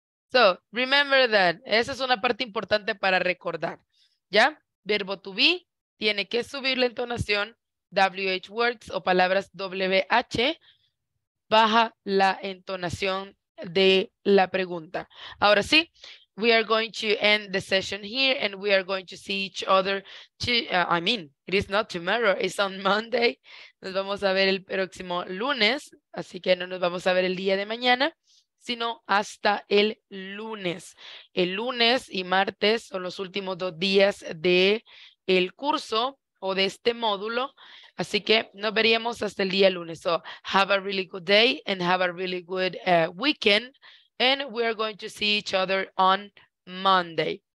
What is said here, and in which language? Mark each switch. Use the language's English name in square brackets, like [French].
[English] So, remember that. [Spanish] Esa es una parte importante para recordar. ¿Ya? Verbo to be tiene que subir la entonación. WH words o palabras WH baja la entonación de la pregunta. Ahora sí, [English] we are going to end the session here and we are going to see each other. It is not tomorrow, it's on Monday. [Spanish] Nos vamos a ver el próximo lunes, así que no nos vamos a ver el día de mañana, sino hasta el lunes. El lunes y martes son los últimos dos días del curso o de este módulo. Así que nos veríamos hasta el día lunes. [English] So have a really good day and have a really good weekend. And we are going to see each other on Monday.